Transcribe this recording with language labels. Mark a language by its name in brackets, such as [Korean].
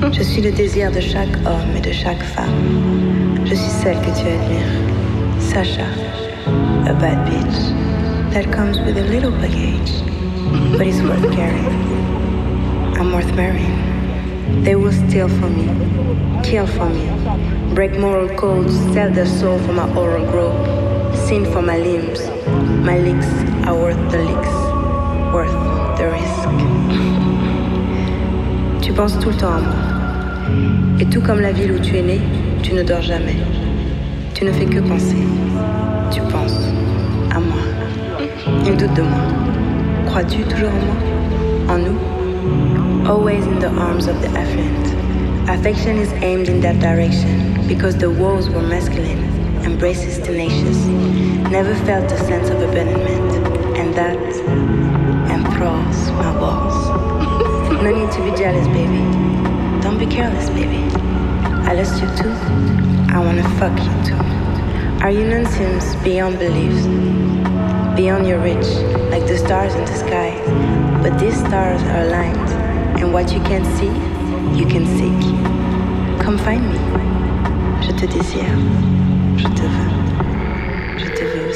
[French] suis le désir de chaque homme et de chaque femme. Je suis celle que tu admires. [English] Sasha, a bad bitch that comes with a little baggage, but it's worth carrying. I'm worth marrying. They will steal for me, kill for me, break moral codes, sell their soul for my oral grope, sin for my limbs. My leaks are worth the leaks, worth the risk. [French] Tu penses tout le temps à moi. Et tout comme la ville où tu es né, tu ne dors jamais. Tu ne fais que penser. Tu penses à moi. Ils doutent de moi. Crois-tu toujours en moi? En nous? [English] Always in the arms of the affluent. Affection is aimed in that direction because the walls were masculine, embraces tenacious. Never felt a sense of abandonment, and that enthralls my balls. No need to be jealous, baby. Don't be careless, baby. I lust you too. I wanna fuck you too. Our union seems beyond belief, beyond your reach, like the stars in the sky. But these stars are aligned. And what you can't see, you can seek. Come find me. [French] Je te désire. Je te veux. Je te veux.